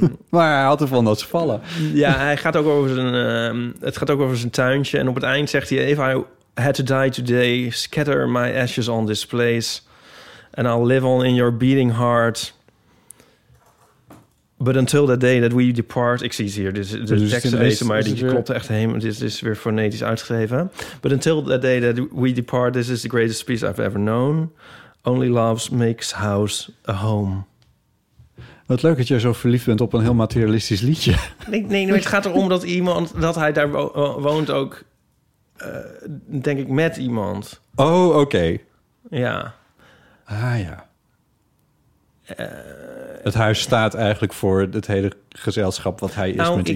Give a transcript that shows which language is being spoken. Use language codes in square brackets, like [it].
[nl] maar hij had ervan dat ze vallen. Ja, hij gaat ook over zijn, het gaat ook over zijn tuintje. En op het eind zegt hij... [en] If I had to die today, scatter my ashes on this place. And I'll live on in your beating heart. But until the day that we depart... [nl] Ik zie het hier, de tekst lezen, maar die klopt echt helemaal. Dit is weer fonetisch uitgegeven. [en] But until the day that we depart, this is the greatest piece I've ever known. Only love makes house a home. [nl] Wat leuk dat jij zo verliefd bent op een heel materialistisch liedje. Nee, het gaat erom dat iemand, dat hij daar woont ook, denk ik, met iemand. Oh, oké. Okay. Ja. Ah ja. Het huis staat eigenlijk voor het hele gezelschap wat hij is met iemand anders.